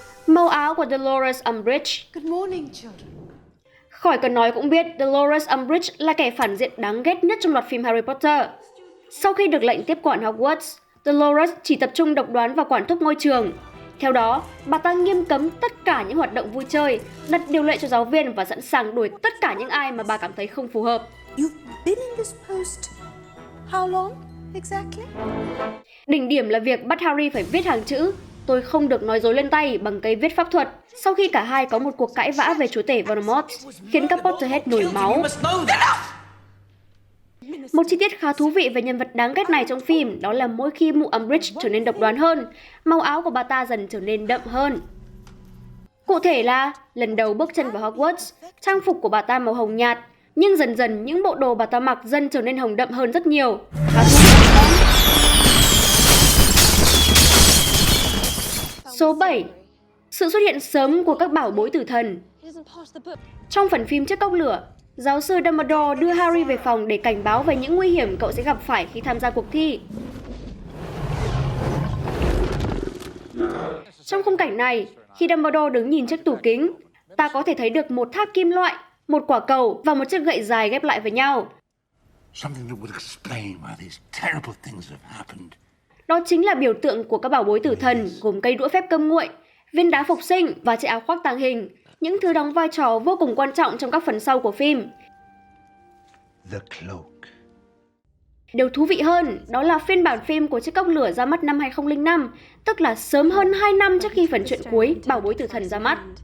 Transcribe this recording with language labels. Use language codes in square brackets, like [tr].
[vi] Màu áo của Dolores Umbridge. [en] Good morning, children. [vi] Khỏi cần nói cũng biết, Dolores Umbridge là kẻ phản diện đáng ghét nhất trong loạt phim Harry Potter. Sau khi được lệnh tiếp quản Hogwarts, Dolores chỉ tập trung độc đoán và quản thúc ngôi trường. Theo đó, bà ta nghiêm cấm tất cả những hoạt động vui chơi, đặt điều lệ cho giáo viên và sẵn sàng đuổi tất cả những ai mà bà cảm thấy không phù hợp. [en] You've been in this post how long exactly? [vi] Đỉnh điểm là việc bắt Harry phải viết hàng chữ "Tôi không được nói dối lên tay" bằng cây viết pháp thuật, sau khi cả hai có một cuộc cãi vã về chúa tể Voldemort, khiến các Potterhead nổi máu. Một chi tiết khá thú vị về nhân vật đáng ghét này trong phim đó là mỗi khi mụ Umbridge trở nên độc đoán hơn, màu áo của bà ta dần trở nên đậm hơn. Cụ thể là, lần đầu bước chân vào Hogwarts, trang phục của bà ta màu hồng nhạt, nhưng dần dần những bộ đồ bà ta mặc dần trở nên hồng đậm hơn rất nhiều. Khá thú vị. Số 7. Sự xuất hiện sớm của các bảo bối tử thần. Trong phần phim Chiếc cốc lửa, giáo sư Dumbledore đưa Harry về phòng để cảnh báo về những nguy hiểm cậu sẽ gặp phải khi tham gia cuộc thi. Trong khung cảnh này, khi Dumbledore đứng nhìn chiếc tủ kính, ta có thể thấy được một tháp kim loại, một quả cầu và một chiếc gậy dài ghép lại với nhau. [en] Something that would explain why these terrible things have happened. [vi] Đó chính là biểu tượng của các bảo bối tử thần, gồm cây đũa phép cơm nguội, viên đá phục sinh và chiếc áo khoác tàng hình. Những thứ đóng vai trò vô cùng quan trọng trong các phần sau của phim. [en] The cloak. [vi] Điều thú vị hơn, đó là phiên bản phim của Chiếc cốc lửa ra mắt năm 2005, tức là sớm hơn 2 năm trước khi phần truyện cuối Bảo bối tử thần ra mắt.